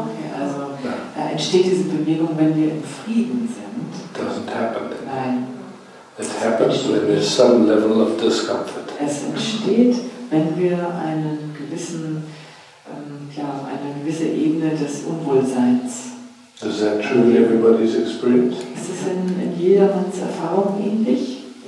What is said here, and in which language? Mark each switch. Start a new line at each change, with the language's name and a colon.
German: Okay, also entsteht diese Bewegung, wenn wir im Frieden sind?
English: Doesn't happen then.
German: Nein.
English: It happens when there's some level of discomfort.
German: Es entsteht, wenn wir einen gewissen, eine gewisse Ebene des Unwohlseins.
English: Is that truly everybody's experience?
German: Ist es in jedermanns Erfahrung ähnlich?